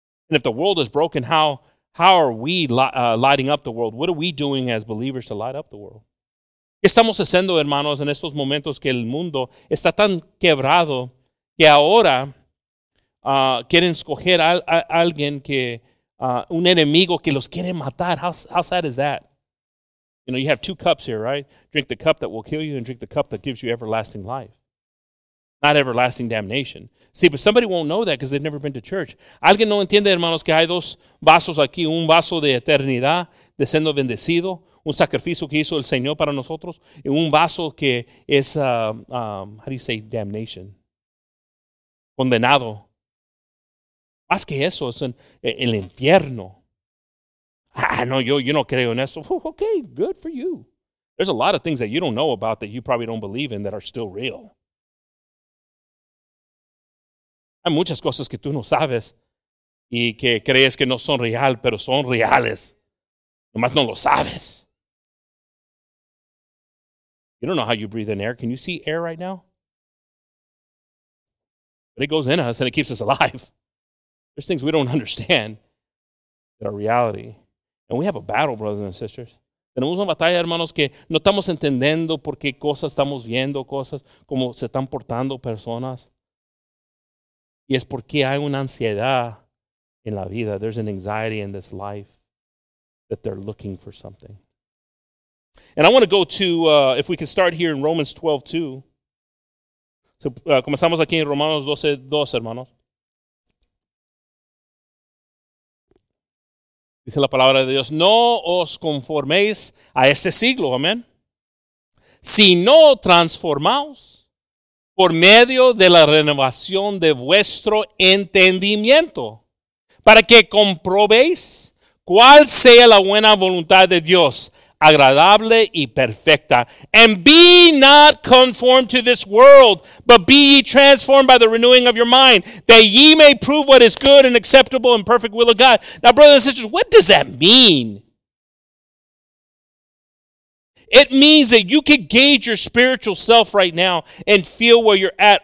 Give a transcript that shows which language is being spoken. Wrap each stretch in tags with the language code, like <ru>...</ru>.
<en>And if the world is broken, how are we lighting up the world? What are we doing as believers to light up the world?</en> <es>¿Qué estamos haciendo, hermanos, en estos momentos que el mundo está tan quebrado que ahora quieren escoger a alguien que, un enemigo que los quiere matar?</es> <en>How sad is that? You know, you have two cups here, right? Drink the cup that will kill you and drink the cup that gives you everlasting life. Not everlasting damnation. See, but somebody won't know that because they've never been to church.</en> <es>¿Alguien no entiende, hermanos, que hay dos vasos aquí? Un vaso de eternidad, de siendo bendecido. Un sacrificio que hizo el Señor para nosotros. Y un vaso que es,</es> <en>how do you say, damnation.</en> <es>Condenado. Más que eso, es el infierno. Ah, no, yo no creo en eso.</es> <en>Okay, good for you. There's a lot of things that you don't know about that you probably don't believe in that are still real.</en> <es>Hay muchas cosas que tú no sabes y que crees que no son real, pero son reales. Nomás no lo sabes.</es> <en>You don't know how you breathe in air. Can you see air right now? But it goes in us and it keeps us alive. There's things we don't understand that are reality. And we have a battle, brothers and sisters.</en> <es>Tenemos una batalla, hermanos, que no estamos entendiendo por qué cosas estamos viendo, cosas como se están portando personas. Y es porque hay una ansiedad en la vida.</es> <en>There's an anxiety in this life that they're looking for something. And I want to go to, if we can start here in Romans 12:2.</en> <es>So, comenzamos aquí en Romanos 12:2, hermanos. Dice la palabra de Dios, no os conforméis a este siglo, amén. Sino transformaos por medio de la renovación de vuestro entendimiento, para que comprobéis cuál sea la buena voluntad de Dios, agradable y perfecta.</es> <en>And be not conformed to this world, but be ye transformed by the renewing of your mind, that ye may prove what is good and acceptable and perfect will of God. Now, brothers and sisters, what does that mean? It means that you could gauge your spiritual self right now and feel where you're at.</en>